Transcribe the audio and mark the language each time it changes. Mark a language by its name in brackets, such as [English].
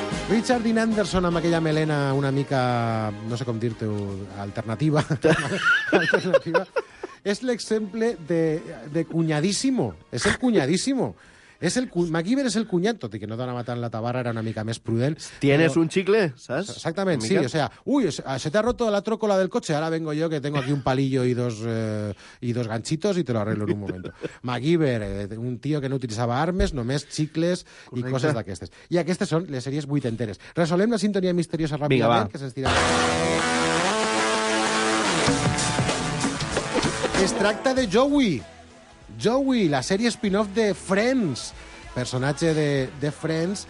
[Catalan] Richard Dean Anderson amb aquella melena una mica, no sé com dir-te, alternativa. Alternativa. És l'exemple de cunyadíssimo. És el cunyadíssimo. MacGyver és el cunyat, tot i que no donava tant la tabarra, era una mica més prudent. [Spanish] Tienes un xicle, [Catalan] saps? Exactament, sí. [Spanish] O sea, ui, se te ha roto la trócola del cotxe, ara vengo jo que tengo aquí un palillo y dos ganchitos y te lo arreglo en un momento. [Catalan] MacGyver, un tío que no utilizaba armes, només xicles. Correcte. I coses d'aquestes. I aquestes són les sèries vuitenteres. Resolem la sintonia misteriosa ràpidament. Vinga, va. Que se'ns tira... Es tracta de Joey, la sèrie spin-off de Friends, personatge de Friends.